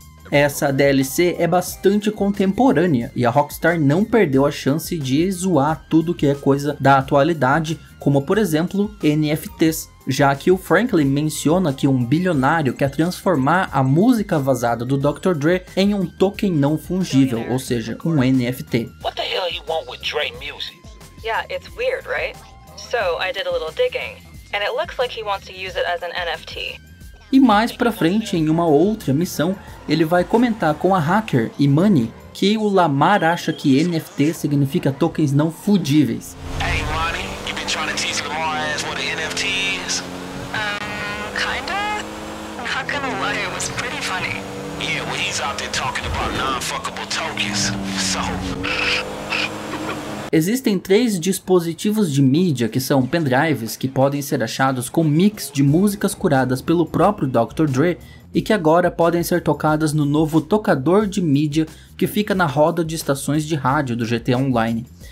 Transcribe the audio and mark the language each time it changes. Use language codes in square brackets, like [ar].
[pt] Essa DLC é bastante contemporânea e a Rockstar não perdeu a chance de zoar tudo que é coisa da atualidade, como por exemplo NFTs, já que o Franklin menciona que um bilionário quer transformar a música vazada do Dr. Dre em um token não fungível, ou seja, um NFT. [en] What the hell you want with Dre music? Yeah, it's weird, right? So I did a little digging and it looks like he wants to use it as an NFT. [pt] E mais pra frente, em uma outra missão, ele vai comentar com a hacker Imani que o Lamar acha que NFT significa tokens não fungíveis. [en] Hey, Imani, you've been trying to teach Lamar as what an NFT is? Kinda? Not gonna lie, it was pretty funny. Yeah, well, he's out there talking about non-fuckable tokens, so. [pt] Existem 3 dispositivos de mídia que são pendrives que podem ser achados com mix de músicas curadas pelo próprio Dr. Dre e que agora podem ser tocadas no novo tocador de mídia que fica na roda de estações de rádio do GTA Online.